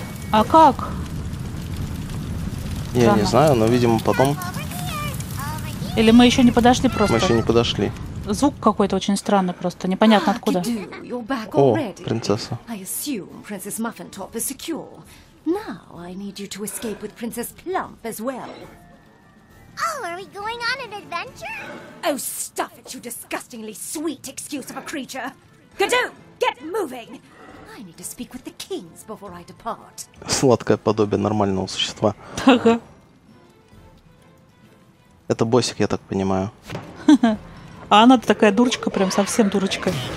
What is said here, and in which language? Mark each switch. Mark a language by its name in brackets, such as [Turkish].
[Russian] А как? Я странно. Не знаю, но, видимо, потом. Или мы еще не подошли просто? Мы еще не подошли. Звук какой-то очень странный просто, непонятно откуда. О, принцесса. Я думаю, что принцесса Маффинтоп безопасна. [English] Now I need you to escape with Princess Plump as well. Oh, are we going on an adventure? Oh, stuff it, you disgustingly sweet excuse of a creature. Gadoo, get moving! I need to speak with the kings before I depart. [Russian] Сладкое подобие нормального существа. Ага. Это боссик, я так понимаю. А она-то такая дурочка, прям совсем дурочка.